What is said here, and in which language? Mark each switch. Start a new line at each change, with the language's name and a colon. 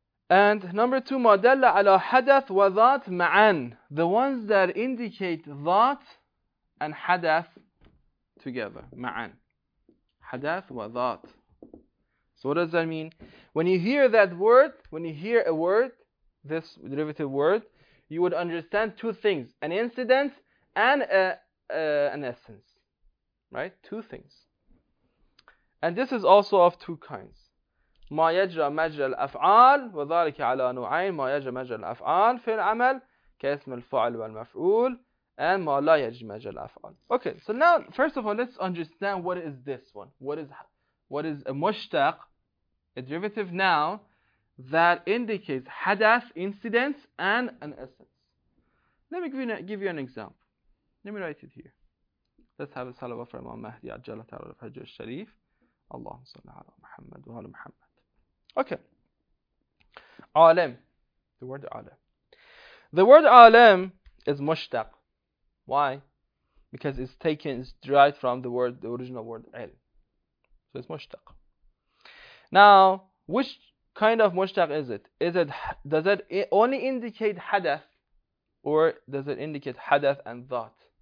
English: And number two, madalla ala hadath wa dhat ma'an, the ones that indicate dhat and hadath together, ma'an. Hadath wa dhat. So what does that mean? When you hear that word, when you hear a word, this derivative word, you would understand two things, an incident and an essence, right? Two things. And this is also of two kinds.
Arabic: ما يجرى مجرى الأفعال وذلك على نوعين ما يجرى مجرى الأفعال في العمل كاسم الفعل والمفعول and ما لا يجرى مجرى الأفعال.
English: Okay, so now first of all, let's understand what is this one. What is a mushtaq, a derivative noun that indicates hadath, incidents, and an essence. Let me give you an example. Let me write it here. Let's have a salawat from Imam Mahdi
Arabic: عجلة تعالى الفجر الشريف. اللهم صل على محمد وآل محمد.
English: Okay, alim, the word alim. The word alim is mushtaq. Why? Because it's derived from the original word ilm. So it's mushtaq. Now, which kind of mushtaq is it? Does it only indicate hadath, or does it indicate hadath and dhat?